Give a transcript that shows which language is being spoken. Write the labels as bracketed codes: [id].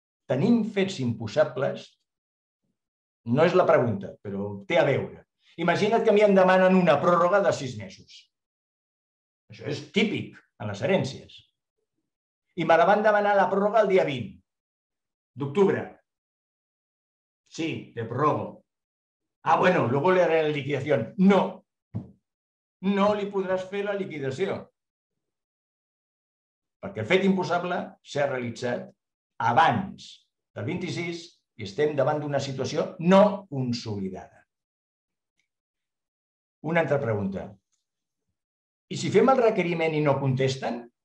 [ca] Tenim fets impossibles? No és la pregunta, però té a veure. Imagina't que a mi em demanen una pròrroga de 6 mesos. Això és típic en les herències. I me la van demanar la pròrroga el dia 20 d'octubre. [es] Sí, te prorrogo. Ah, bueno, luego le haré la liquidación. No. [ca] No li podràs fer la liquidació. Perquè el fet impossible s'ha realitzat abans del 26 i estem davant d'una situació no consolidada. Una altra pregunta. I si fem el requeriment i no contesten?